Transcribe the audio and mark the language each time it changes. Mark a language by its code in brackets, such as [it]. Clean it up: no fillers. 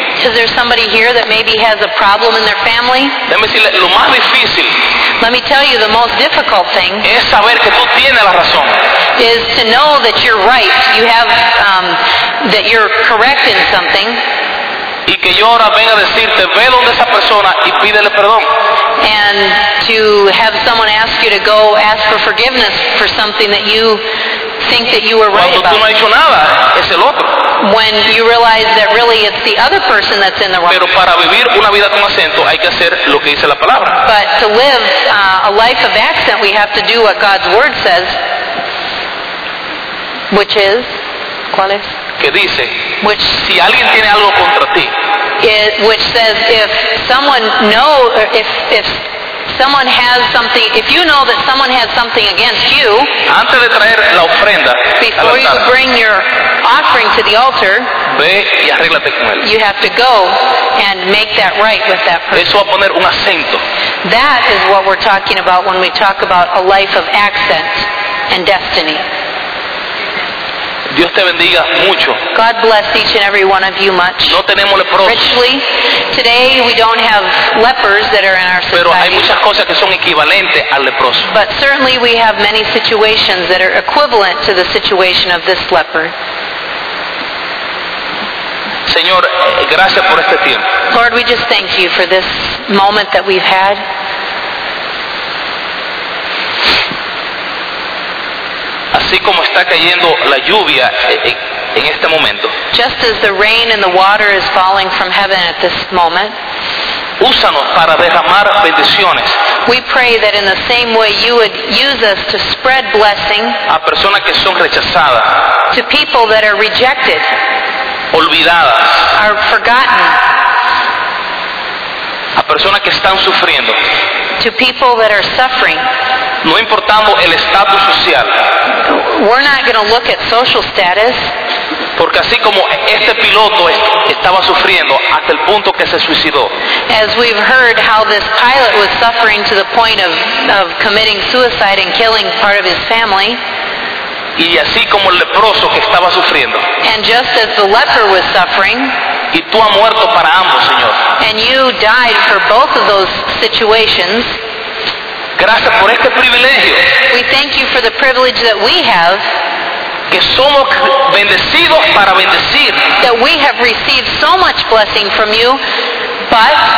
[en] Is there somebody here that maybe has a problem in their family? [es] Déjame decirle, lo más difícil, [en] let me tell you the most difficult thing [es] es saber que tú tienes la razón. [en] Is to know that you're right, you have that you're correct in something. [es] Y que yo ahora venga a decirte, ve donde esa persona y pídele perdón. [en] And to have someone ask you to go ask for forgiveness for something that you think that you were right about. [es] Cuando tú no has hecho nada, es el otro. [en] When you realize that really it's the other person that's in the wrong. [es] Pero para vivir una vida con acento, hay que hacer lo que dice la palabra. [en] But to live a life of accent, we have to do what God's word says, which is, [es] ¿cuál es? Que dice, which, si alguien tiene algo contra ti, [en] it, which says if someone knows, if someone has something, if you know that someone has something against you, [es] antes de traer la ofrenda, [en] before [es] la altar, [en] you bring your offering to the altar, [es] ve y arréglate con él. [en] You have to go and make that right with that person. [es] Eso va a poner un acento. [en] That is what we're talking about when we talk about a life of accent and destiny. [es] Dios te bendiga mucho. [en] God bless each and every one of you much. [es] No tenemos leprosos. [en] Richly, today we don't have lepers that are in our society. [es] Pero hay muchas cosas que son equivalentes al leproso. [en] But certainly we have many situations that are equivalent to the situation of this leper. [es] Señor, gracias por este tiempo. [en] Lord, we just thank you for this moment that we've had. [es] Así como está cayendo la lluvia en este momento. [en] Just as the rain and the water is falling from heaven at this moment. [es] Úsanos para derramar bendiciones. [en] We pray that in the same way you would use us to spread blessing. [es] A personas que son rechazadas. [en] To people that are rejected. [es] Olvidadas. [en] Are forgotten. [es] A personas que están sufriendo. [en] To people that are suffering. [es] No importando el estatus social. [en] We're not going to look at social status. [es] Porque así como este piloto estaba sufriendo hasta el punto que se suicidó. [en] As we've heard how this pilot was suffering to the point of committing suicide and killing part of his family. [es] Y así como el leproso que estaba sufriendo. [en] And just as the leper was suffering. [es] Y tú has muerto para ambos, Señor. [en] And you died for both of those situations. [es] Gracias por este privilegio. [en] We thank you for the privilege that we have. [es] Que somos bendecidos para bendecir. [en] That we have received so much blessing from you, but